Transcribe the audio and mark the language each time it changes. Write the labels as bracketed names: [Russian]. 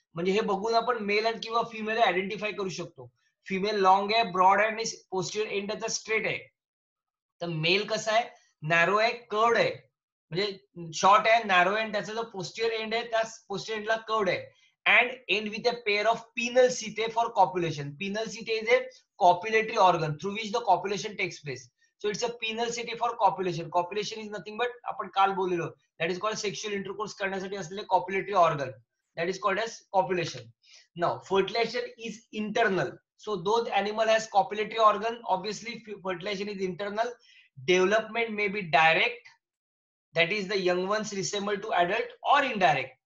[Marathi] म्हणजे हे बघून आपण मेल अँड किंवा फिमेल आयडेंटिफाय करू शकतो. फिमेल लॉंग आहे, ब्रॉड आहे, आणि पोस्टियर एंड त्याचा स्ट्रेट आहे. तर मेल कसा आहे, नॅरो आहे, कर्व्ड आहे, म्हणजे शॉर्ट आहे, नॅरो एंड, त्याचा जो पोस्टियर एंड आहे त्या पोस्टियर एंडला कर्व्ड आहे, [English] And end with a pair of penial setae for copulation. Penial setae is a copulatory organ through which the copulation takes place. So it's a penial setae for copulation. Copulation is nothing but [Marathi] आपण काल बोललो [English] that is called sexual intercourse [Marathi] करण्यासाठी असलेले [English] Copulatory organ that is called as copulation. Now fertilisation is internal. So those animal has copulatory organ obviously fertilisation is internal. Development may be direct that is the young ones resemble to adult or indirect.